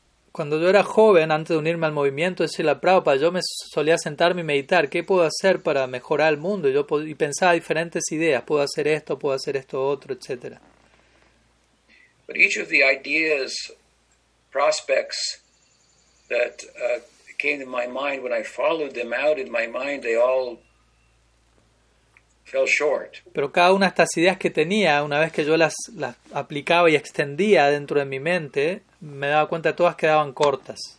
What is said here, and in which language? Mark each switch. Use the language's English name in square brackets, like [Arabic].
[Spanish] Cuando yo era joven, antes de unirme al movimiento, decía la Prabhupada, yo me solía sentarme y meditar, ¿qué puedo hacer para mejorar el mundo? Y pensaba diferentes ideas, puedo hacer esto otro, etc. [English] But each of the ideas, prospects that came to my mind when I followed them out in my mind, they all fell short. [Spanish] Pero cada una de estas ideas que tenía, una vez que yo las aplicaba y extendía dentro de mi mente, me daba cuenta de todas quedaban cortas.